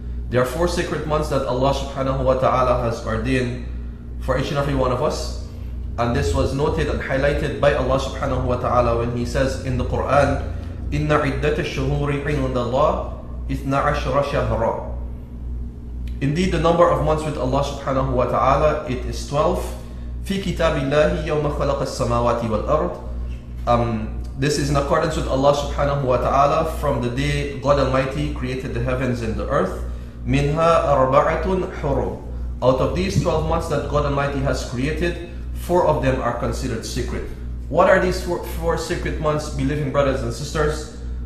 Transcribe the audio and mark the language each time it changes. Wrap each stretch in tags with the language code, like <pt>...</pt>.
<en>There are four sacred months that Allah subhanahu wa ta'ala has ordained for each and every one of us, and this was noted and highlighted by Allah subhanahu wa ta'ala when He says in the Quran,</en> <ar>"Inna iddata shuhuri 'inda Allah 12 shahra."</ar> <en>Indeed, the number of months with Allah subhanahu wa ta'ala, it is 12.</en> <ar>في كتاب الله يوم خلق السماوات والأرض.</ar> <en>This is in accordance with Allah subhanahu wa ta'ala from the day God Almighty created the heavens and the earth.</en> <ar>منها أربعة حرم.</ar> <en>Out of these 12 months that God Almighty has created, four of them are considered sacred. What are these four sacred months, believing brothers and sisters?</en>